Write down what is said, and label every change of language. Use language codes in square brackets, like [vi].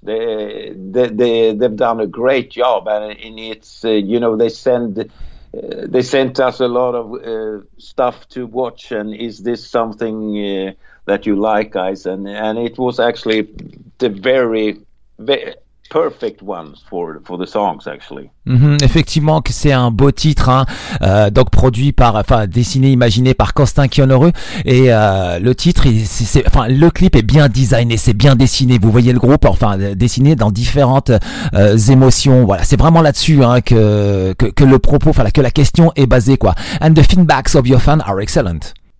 [en] They've done a great job, and it's you know they sent us a lot of stuff to watch. And is this something that you like, guys? And it was actually the very, very perfect ones for the songs actually. [fr] Mm-hmm. Effectivement, que c'est un beau titre, hein. Donc produit par, enfin dessiné, imaginé par Kostin Kyorenu, et le titre, le clip est bien designé, c'est bien dessiné. Vous voyez le groupe, enfin dessiné dans différentes émotions. Voilà, c'est vraiment là-dessus hein, que le propos, enfin que la question est basée quoi. [en] And the feedbacks of your fans are excellent.